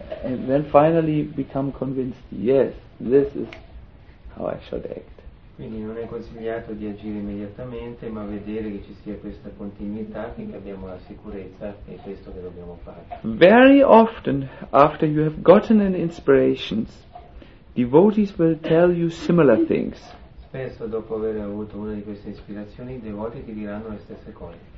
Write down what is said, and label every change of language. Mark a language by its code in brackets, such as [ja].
[en] And then finally become convinced, yes, this is how I should act. [it] Quindi non è consigliato di agire immediatamente, ma vedere che ci sia questa continuità finché abbiamo la sicurezza, è questo che dobbiamo fare. [en] Very often, after you have gotten an inspiration, devotees will tell you similar things. [it] Spesso dopo aver avuto una di queste ispirazioni, i devoti ti diranno le stesse cose.